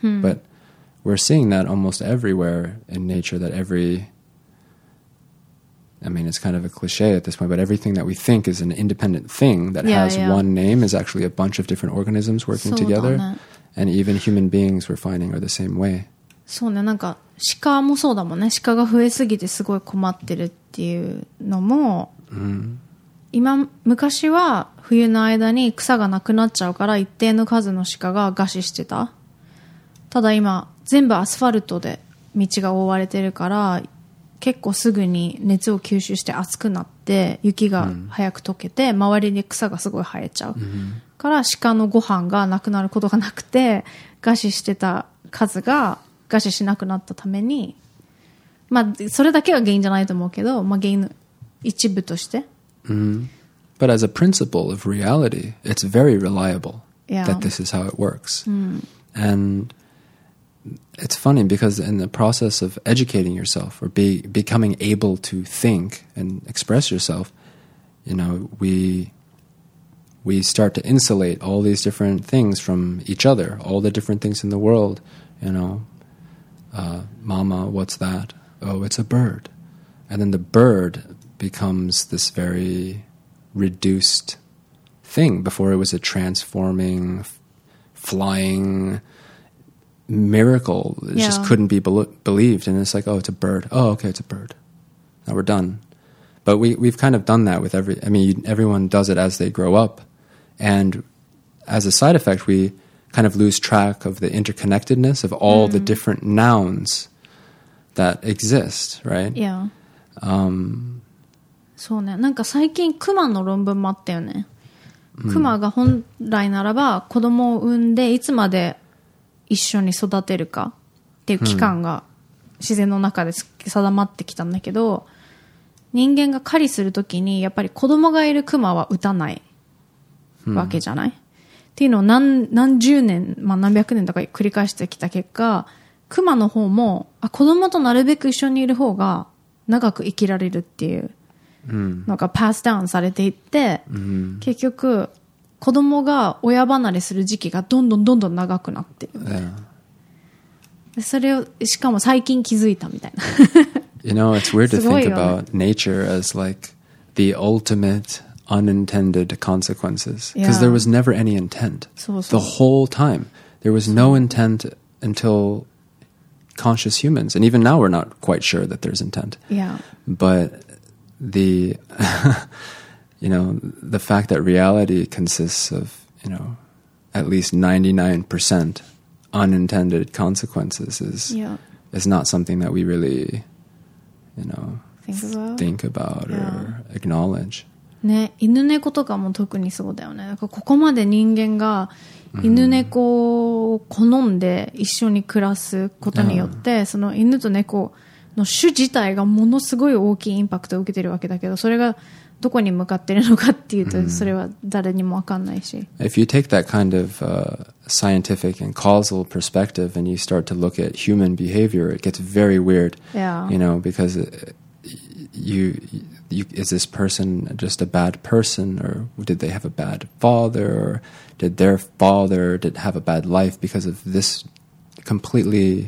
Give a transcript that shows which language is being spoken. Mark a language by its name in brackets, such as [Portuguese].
[English] But we're seeing that almost everywhere in nature, that every, I mean, it's kind of a cliche at this point, but everything that we think is an independent thing that has one name is actually a bunch of different organisms working together. And even human beings we're finding are the same way. [Japanese] そうね、なんか鹿もそうだもんね。鹿が増えすぎてすごい困ってるっていうのも、昔は冬の間に草がなくなっちゃうから一定の数の鹿が餓死してた。ただ今全部アスファルトで道が覆われてるから結構すぐに熱を吸収して熱くなって雪が早く溶けて、うん、周りに草がすごい生えちゃう、うん、から鹿のご飯がなくなることがなくて餓死してた数が餓死しなくなったために、まあそれだけが原因じゃないと思うけど、まあ原因の一部として、 mm-hmm. [English] But as a principle of reality, it's very reliable、yeah. that this is how it works、 mm-hmm. And it's funny because in the process of educating yourself or becoming able to think and express yourself, you know, we start to insulate all these different things from each other, all the different things in the world, you know、Mama, what's thatOh, it's a bird. And then the bird becomes this very reduced thing. Before it was a transforming, flying miracle. It、yeah. just couldn't be believed. And it's like, oh, it's a bird. Oh, okay, it's a bird. Now we're done. But we've kind of done that with everyone does it as they grow up. And as a side effect, we kind of lose track of the interconnectedness of all、mm. the different nouns. That exist, right? Yeah.、 [Japanese] そうね。なんか最近クマの論文もあったよね。クマが本来ならば子供を産んでいつまで一緒に育てるかっていう期間が自然の中で定まってきたんだけど、人間が狩りするときにやっぱり子供がいるクマは撃たないわけじゃない、hmm. っていうのを何十年、まあ、何百年とか繰り返してきた結果、クマの方も子供となるべく一緒にいる方が長く生きられるっていうのがパスダウンされていって、うん、結局子供が親離れする時期がどんどんどんどん長くなってる、 yeah. それをしかも最近気づいたみたいな [English] You know, it's weird to think about nature as like the ultimate unintended consequences because、yeah. there was never any intent [Japanese] そうそう [English] the whole time there was no intent untilconscious humans and even now we're not quite sure that there's intent yeah but the you know the fact that reality consists of you know at least 99% unintended consequences is yeah is not something that we really you know think about yeah. or acknowledge [Japanese] ね犬猫とかも特にそうだよねだからここまで人間がMm-hmm. 犬猫を好んで一緒に暮らすことによって、yeah. その犬と猫の種自体がものすごい大きいインパクトを受けてるわけだけどそれがどこに向かってるのかっていうと、mm-hmm. それは誰にも分かんないし [English] If you take that kind of、scientific and causal perspective and you start to look at human behavior it gets very weird、 yeah. you know, because you, is this person just a bad person or did they have a bad father or did their father did have a bad life because of this completely